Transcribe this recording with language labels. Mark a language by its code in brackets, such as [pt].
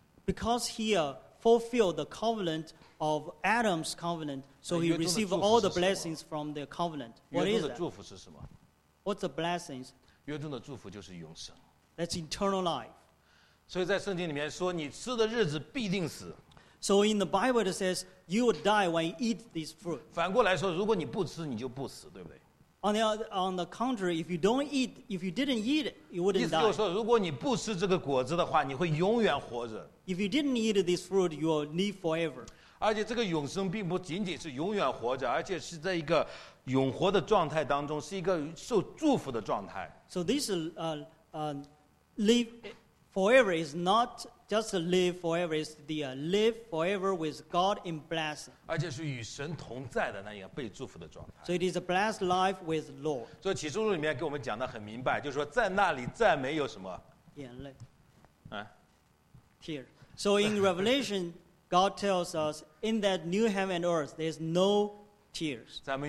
[en] Because he fulfilled the covenant of Adam's covenant, so he received all the blessings from the covenant. What is that? [zh] 约中的祝福是什么？ [en] What's the blessings? [zh] 约中的祝福就是永生。 [en] That's eternal life. [zh] 所以在圣经里面说，你吃的日子必定死。 [en] So in the Bible it says you will die when you eat this fruit. [zh] 反过来说，如果你不吃，你就不死，对不对？ [en] On the contrary, if you didn't eat, you wouldn't die. [zh] 意思就是说，如果你不吃这个果子的话，你会永远活着。 [en] If you didn't eat this fruit, you will live forever. [zh] 而且这个永生并不仅仅是永远活着，而且是在一个永活的状态当中，是一个受祝福的状态。 [en] So this live forever is not just live forever; it's the live forever with God in blessing. [zh] 而且是与神同在的那样被祝福的状态。 [en] So it is a blessed life with the Lord. [zh] 所以启示录里面给我们讲的很明白，就是说在那里再没有什么眼泪。 [en] Tears. So in Revelation, God tells us, in that new heaven and earth, there's no tears.